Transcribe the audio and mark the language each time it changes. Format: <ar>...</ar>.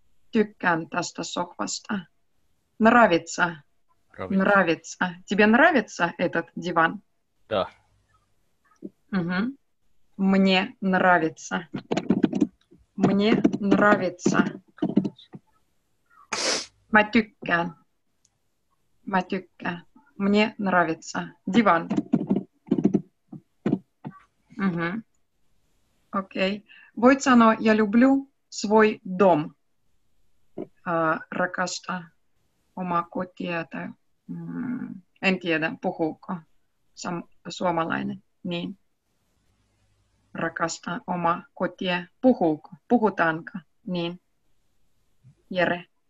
<fi>Tykkään tästä sohvasta.</fi> <ru>Нравится. Нравится. Тебе нравится этот диван? Да. Угу. Мне нравится. Мне нравится.</ru> <fi>Mä tykkään. Mä tykkään.</fi> <ru>Мне нравится. Диван. Угу. Окей.</ru> <fi>Voit sanoa,</fi> <ru>я люблю свой дом.</ru> <fi>Rakasta oma kotia tai en tiedä, puhuuko suomalainen niin. Rakasta oma kotia, puhuuko, puhutaanko niin, Jere?</fi>